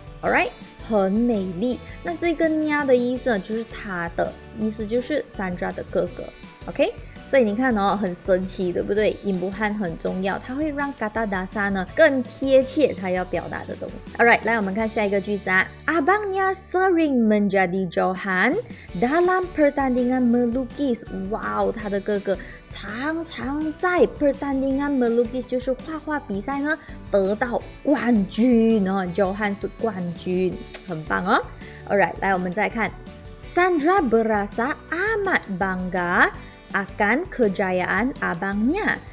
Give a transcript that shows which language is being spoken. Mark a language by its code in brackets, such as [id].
[zh] Alright,很美丽，那这个呀的意思呢就是他的意思，就是 Sandra 的哥哥。 OK, 所以你看哦很神奇对不对，引不汉很重要，它会让 kata dasar 呢更贴切他要表达的东西。 Alright, 来我们看下一个句子啊。 [ms] Abangnya sering menjadi johan dalam pertandingan melukis. [zh] 哇哦，他的哥哥常常在 [ms] pertandingan melukis [zh] 就是画画比赛呢得到冠军哦。 Johan 是冠军，很棒哦。 [ms] Alright, [zh] 来我们再看 [ms] Sandra berasa amat bangga akan kejayaan abangnya.